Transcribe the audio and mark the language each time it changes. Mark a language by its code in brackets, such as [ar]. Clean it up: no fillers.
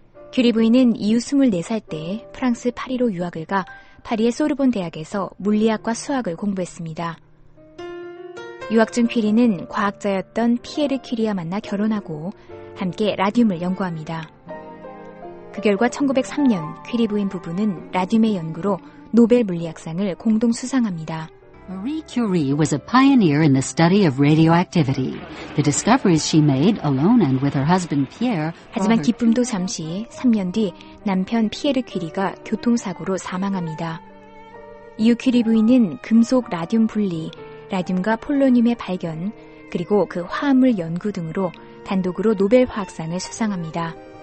[ko] 퀴리 부인은 이후 24살 때 프랑스 파리로 유학을 가 파리의 소르본 대학에서 물리학과 수학을 공부했습니다. 유학 중 퀴리는 과학자였던 피에르 퀴리와 만나 결혼하고 함께 라듐을 연구합니다. 그 결과 1903년 퀴리 부인 부부는 라듐의 연구로 노벨 물리학상을 공동 수상합니다. [en] Marie Curie was a pioneer in the study of radioactivity. The discoveries she made alone and with her husband Pierre. [ko] 하지만 기쁨도 잠시 3년 뒤 남편 피에르 퀴리가 교통사고로 사망합니다. 이후 퀴리 부인은 금속 라듐 분리, 라듐과 폴로늄의 발견, 그리고 그 화합물 연구 등으로 단독으로 노벨 화학상을 수상합니다.